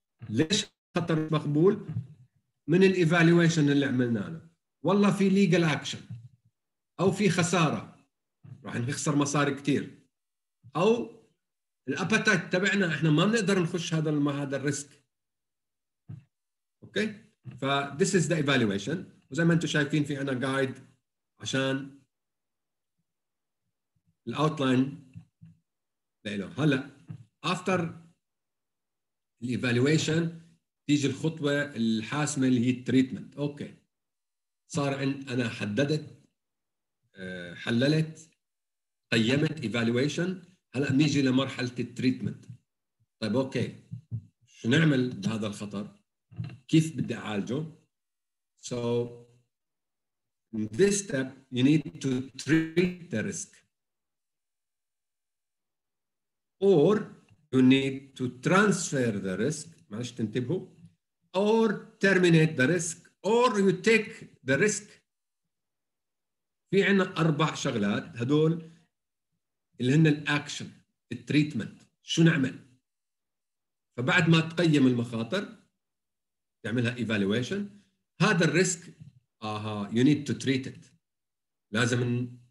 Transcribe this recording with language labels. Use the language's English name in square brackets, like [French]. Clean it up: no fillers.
[Arabic] ليش خطر مقبول؟ من الايفالويشن اللي عملناه له. والله في ليجل اكشن او في خساره، راح نخسر مصاري كثير، او الابيتايت تبعنا احنا ما بنقدر نخش هذا الريسك. [English] Okay, ف this is the evaluation. [Arabic] وزي ما انتم شايفين في عنا جايد عشان الاوتلاين له. هلا افتر الايفالويشن تيجي الخطوه الحاسمه اللي هي التريتمنت. اوكي، صار ان انا حددت، حللت، قيمت، ايفالويشن. هلا بنيجي لمرحله التريتمنت. طيب اوكي، شو نعمل بهذا الخطر؟ كيف بدي اعالجه؟ سو [English] In this step, you need to treat the risk. Or you need to transfer the risk, [Arabic] معلش تنتبهوا, [English] or terminate the risk, or you take the risk. [Arabic] في عندنا أربع شغلات، هدول اللي هن الأكشن، التريتمنت، شو نعمل؟ فبعد ما تقيم المخاطر، تعملها evaluation، هذا الريسك [English] you need to treat it. [Arabic] لازم